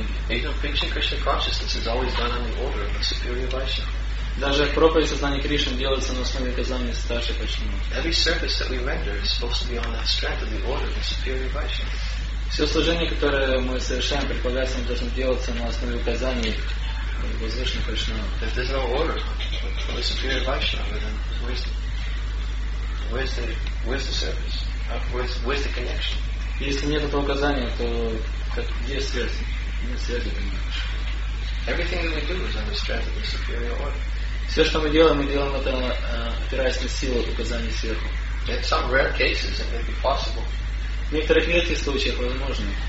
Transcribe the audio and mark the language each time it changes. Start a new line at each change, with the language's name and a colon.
English: Even preaching Krishna consciousness is always done on the order of the superior Vaishnava.
Russian: Даже проповедь сознания Кришны делается на основе указания старшей Вайшнавы.
English: Every service that we render is supposed to be on that strength of the order of the superior Vaishnava.
Russian: Все служение, которое мы совершаем, предполагается, должно делаться на основе указаний возвышенных Вайшнавы.
English: If there's no order of the superior Vaishnava, then where's the service? Where's the connection?
Russian: Если нет этого указания, то где связь? Нет связи, понимаешь?
English: Everything that we do is on the strength of the superior order.
Russian: Все, что мы делаем это, опираясь на силу указаний сверху.
English: In some rare cases, it may be possible.
Russian: В некоторых редких случаях возможно.